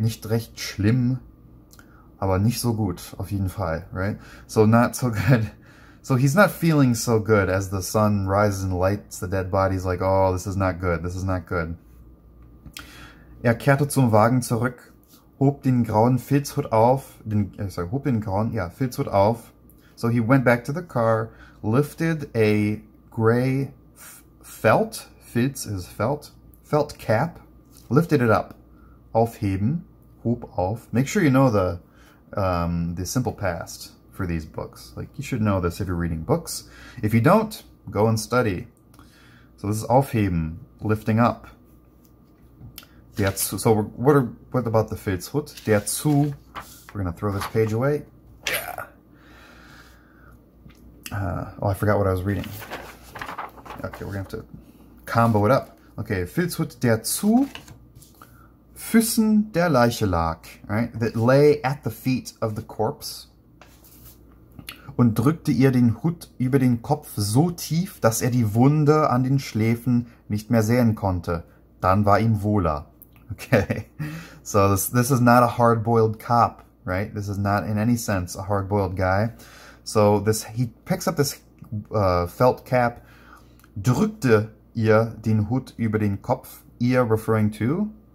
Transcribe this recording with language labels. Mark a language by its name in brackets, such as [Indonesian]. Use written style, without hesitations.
[German] Nicht recht schlimm, aber nicht so gut auf jeden Fall, right? [English] So not so good. So he's not feeling so good as the sun rises and lights the dead body. He's like, oh, this is not good. This is not good. [German] Er kehrte zum Wagen zurück, hob den grauen Filzhut auf, hob den grauen, ja, Filzhut auf. [English] So he went back to the car. Lifted a gray felt is felt cap, lifted it up, [German] aufheben, hob auf. [English] Make sure you know the simple past for these books. Like you should know this if you're reading books. If you don't, go and study. So this is aufheben, lifting up. [German] Der zu, [English] so what about the Filzhut? Der zu. We're gonna throw this page away. Oh, I forgot what I was reading. Okay, we're gonna have to combo it up. Okay, [German] Filzhut, der zu Füßen der Leiche lag, right? [English] That lay at the feet of the corpse. [German] Und drückte ihr den Hut über den Kopf so tief, dass er die Wunde an den Schläfen nicht mehr sehen konnte. Dann war ihm wohler. [English] Okay, so this is not a hard-boiled cop, right? This is not in any sense a hard-boiled guy. So this, he picks up this felt cap, [German] drückte ihr den Hut über den Kopf, ihr [English] referring to.